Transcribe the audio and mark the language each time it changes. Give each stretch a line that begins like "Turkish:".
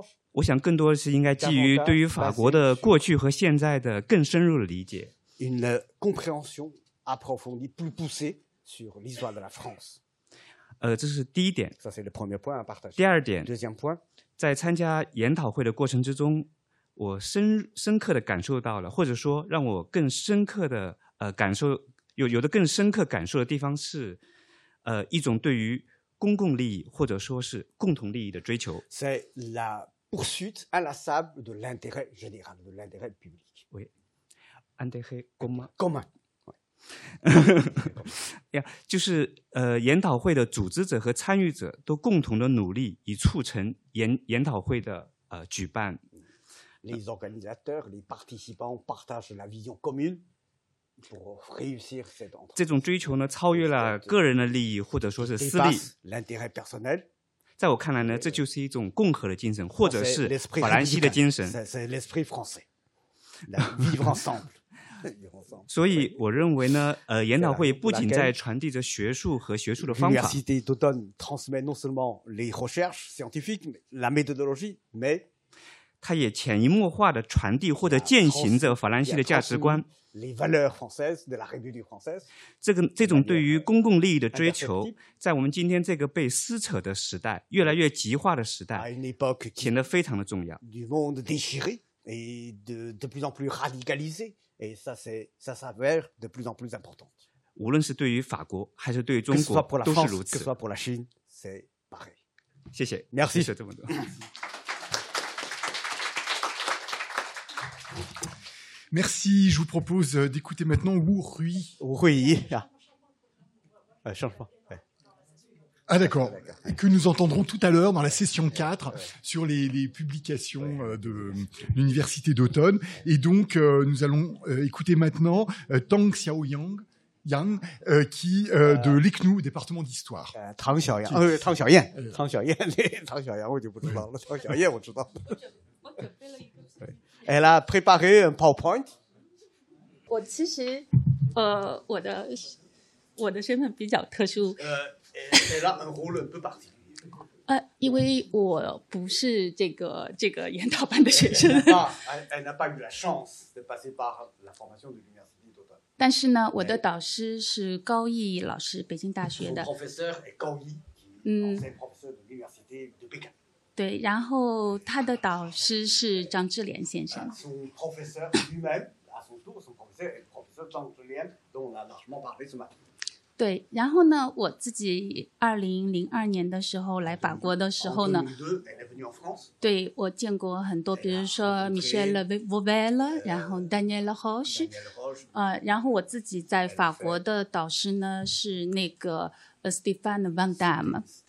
Chinese: 我想更多的是应该基于对于法国的过去和现在的更深入的理解。
French: Une compréhension approfondie, plus poussée sur l'histoire de la France.
Chinese: 这是第一点。
French: Ça, c'est le premier point à partager.
Chinese: 第二点。
French: Deuxième point.
Chinese: 在参加研讨会的过程之中，我深刻的感受到了，或者说让我更深刻的感受，有的更深刻感受的地方是，一种对于公共利益或者说是共同利益的追求。
French: C'est la poursuite inlassable de l'intérêt général, de l'intérêt public. Oui. Intérêt commun. Commun.
Chinese: yeah, 就是研讨会的组织者和参与者都共同的努力以促成 研讨会的举办。
French: Les organisateurs, les participants partagent la vision commune pour réussir cette entreprise.
Chinese: 这种追求呢超越了个人的利益或者说是私利。
French: L'intérêt personnel.
Chinese: 在我看来呢这就是一种共和的精神或者是法兰西的精神。
French: C'est l'esprit français. La vivre ensemble.
Chinese: 所以我认为呢研讨会不仅在传递着学术和学术的方法。
French: L'université d'automne transmet non seulement les recherches scientifiques, la méthodologie, mais
Chinese: 它也潜移默化地传递或者践行着法兰西的价值观。
French: Les valeurs françaises de la République française,
Chinese: 这种对于公共利益的追求在我们今天这个被撕扯的时代越来越极化的时代显得非常的重要。
French: Du monde déchiré et de plus en plus radicalisé,Et ça s'avère de plus en plus important.
Chinese: 无论是对于法国还是对于中国，都是如此。
French: Que ce soit pour la Chine, c'est pareil.
Chinese: 谢谢。
French: Merci.
Chinese: 谢谢这么多。
French: Merci. Je vous propose d'écouter maintenant Wu Rui. Wu Rui. Change pas. Ah d'accord. Que nous entendrons tout à l'heure dans la session 4 sur les publications de l'Université d'automne. Et donc, nous allons écouter maintenant Tang Xiaoyang, Yang, qui de l'ICNU, département d'histoire. Tang Xiaoyang. Tang Xiaoyang. Tang Xiaoyang. Tang Xiaoyang, je ne sais pas. Tang Xiaoyang, je sais. Elle a préparé un PowerPoint. Moi, en fait, mon chemin est plus spécial. Elle a un rôle un peu particulier.
Chinese: 因为我不是这个研讨班的学生。
French: Elle n'a pas eu la chance de passer par la formation de l'université d'automne.
Chinese: 但是呢，我的导师是高毅老师，北京大学的。
French: Son professeur est 高毅，ancien professeur de l'université de Pékin.
Chinese: 对，然后他的导师是张智霖先生。
French: Son professeur lui-même, à son tour, son professeur est professeur 张智霖 dont on a largement parlé ce matin.
Chinese: 对，然后呢，我自己2002年的时候来法国的时候呢，对我见过很多，比如说 Michel Vauvel， 然后 Daniel Hoch， 然后我自己在法国的导师呢是那个 Stéphane Van Damme。